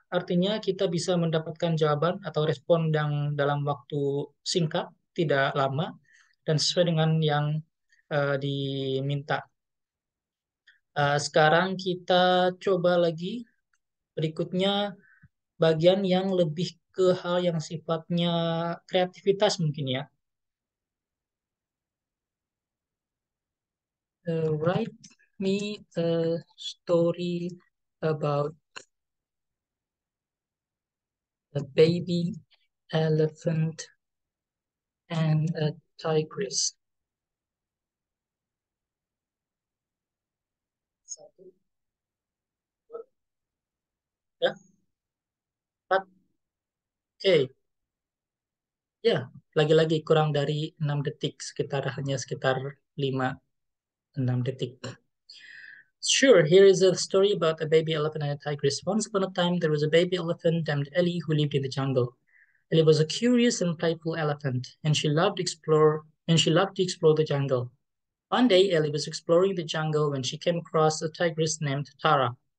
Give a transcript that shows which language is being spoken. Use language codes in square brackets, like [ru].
[id] Artinya kita bisa mendapatkan jawaban atau respon yang dalam waktu singkat, tidak lama, dan sesuai dengan yang diminta. Sekarang kita coba lagi berikutnya bagian yang lebih ke hal yang sifatnya kreativitas mungkin ya. [en] Write me a story about a baby elephant and a tigress. Okay. [id] Ya, lagi-lagi kurang dari 6 detik, hanya sekitar 5 6 detik. [en] Sure, here is a story about a baby elephant and a tigress. Once upon a time, there was a baby elephant named Ellie who lived in the jungle. Ellie was a curious and playful elephant, and she loved to explore the jungle. One day, Ellie was exploring the jungle when she came across a tigress named Tara.